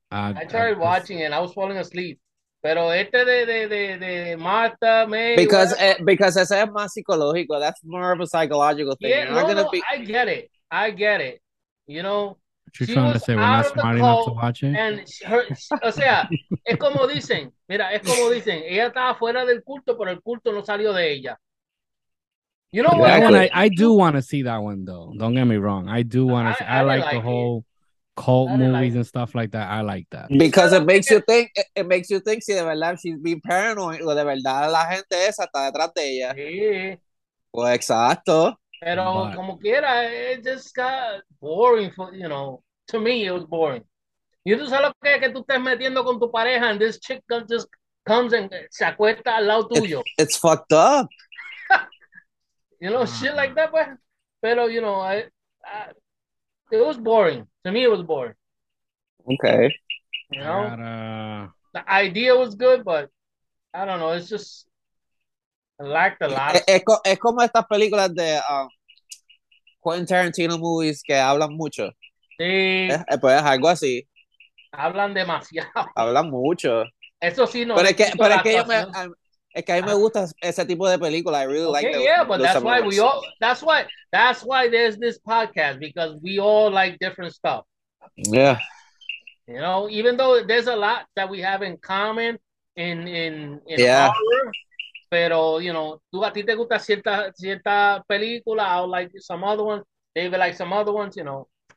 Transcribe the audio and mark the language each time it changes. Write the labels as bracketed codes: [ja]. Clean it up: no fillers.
[en] I tried watching it, and I was falling asleep. [es] Pero este de Martha, man. [en] Because [es] ese es más psicológico. [en] That's more of a psychological thing. Yeah, I get it. You know? You're trying to say we're not smart enough to watch it? [es] And es como dicen. Mira, es como dicen. Ella estaba fuera del culto, pero el culto no salió de ella. [en] You know that what? I do want to see that one, though. Don't get me wrong. I do want to see. I like the whole cult movies and stuff like that. I like that. Because it makes you think [es] si de verdad [en] she's being paranoid [es] o de verdad la gente esa está detrás de ella. Sí. Pues exacto. Pero como quiera, [en] it just got boring for, you know, to me it was boring. You know, [es] sabes lo que tú estás metiendo con tu pareja [en] and this chick just comes and [es] se acuesta al lado tuyo. [en] It's fucked up. You know, shit like that, but, pero, you know, it was boring. To me, it was boring. Okay. You know, the idea was good, but I don't know. It's just I lacked a lot. [es] Es como estas películas de Quentin Tarantino movies que hablan mucho. Sí. Pues algo así. Hablan demasiado. Hablan mucho. Eso sí no. Pero es que yo me es que a mí me gusta ese tipo de película. [en] I really like that. Yeah, but that's why we all that's why there's this podcast, because we all like different stuff. Yeah. You know, even though there's a lot that we have in common in yeah. horror, pero you know, [es] tú a ti te gusta cierta película, [en] I would like some other ones, David like some other ones, you know.